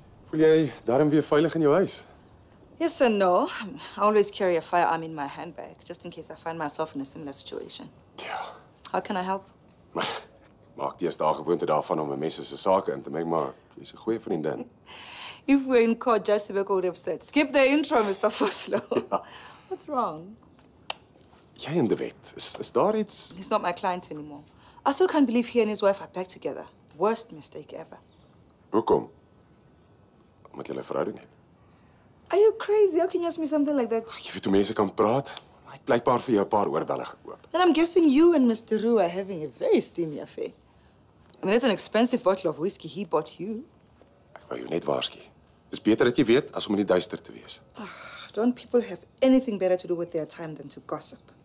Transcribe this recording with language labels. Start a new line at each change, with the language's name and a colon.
Afrikaans: Voel jy daarom weer veilig in jou huis?
English: Yes and no. I always carry a firearm in my handbag, just in case I find myself in a similar situation. Yeah. How can I help?
Afrikaans: Maak die eerste gewoonte daarvan om mense se sake in te maak, maar jy's 'n goeie vriendin.
English: If we're in court, Jessica would have said, skip the intro, Mr. Foslow. What's wrong?
Afrikaans: Jy en De Wet, is daar iets?
English: He's not my client anymore. I still can't believe he and his wife are back together. Worst mistake ever.
Afrikaans: Hoekom? Omdat jy 'n verhouding het?
English: Are you crazy? How can you ask me something like that?
Afrikaans: Ach, jy weet hoe mense kan praat. Hy het blykbaar vir jou 'n paar oorbelle gekoop.
English: Then I'm guessing you and Mr. Roo are having a very steamy affair. I mean, it's an expensive bottle of whiskey he bought you.
Afrikaans: Ek wou jou net waarsku. Dis beter dat jy weet as om in die duister te wees.
English: Ach, don't people have anything better to do with their time than to gossip?